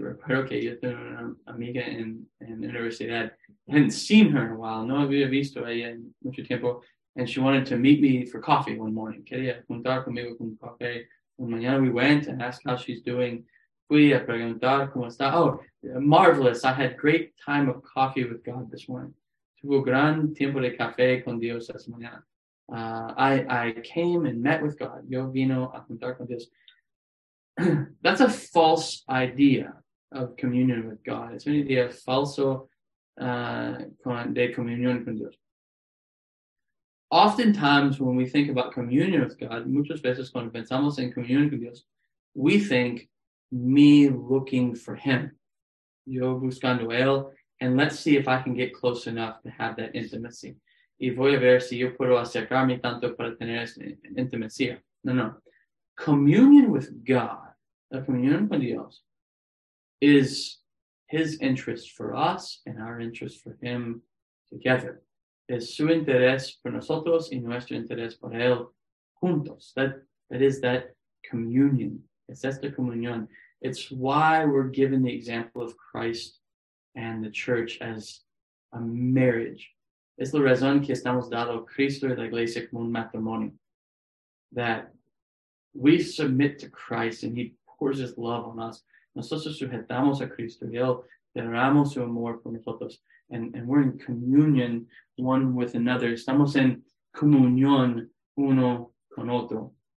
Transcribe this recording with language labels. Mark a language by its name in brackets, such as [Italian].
[Spanish] Recuerdo que yo tenía una amiga en universidad. [English] I hadn't seen her in a while. [Spanish] No había visto ella en mucho tiempo. [English] And she wanted to meet me for coffee one morning. [Spanish] Quería juntar conmigo con café. Un mañana [English] we went and asked how she's doing. [Spanish] Fui a preguntar cómo está. [English] Oh, marvelous. I had great time of coffee with God this morning. [Spanish] Tuvo gran tiempo de café con Dios esta mañana. [English] I came and met with God. [Spanish] Yo vino a juntar con Dios. [English] That's a false idea of communion with God. [Spanish] It's an idea falso de comunión con Dios. [English] Oftentimes, when we think about communion with God, [Spanish] muchas veces cuando pensamos en comunión con Dios, [English] we think me looking for Him, [Spanish] yo buscando él, [English] and let's see if I can get close enough to have that intimacy. [Spanish] Y voy a ver si yo puedo acercarme tanto para tener esa intimacía. No. [English] Communion with God, [Spanish] la comunión con Dios, [English] is His interest for us and our interest for Him together. [Spanish] Es su interés por nosotros y nuestro interés por Él juntos. [English] That is that communion. [Spanish] Es esta comunión. [English] It's why we're given the example of Christ and the church as a marriage. [Spanish] Es la razón que estamos dado Cristo y la iglesia como un matrimonio. [English] That we submit to Christ and He pours His love on us. [Spanish] Nosotros sujetamos a Cristo y Él derramamos su amor por nosotros. [English] And we're in communion one with another. [Spanish] Estamos en comunión uno con otro.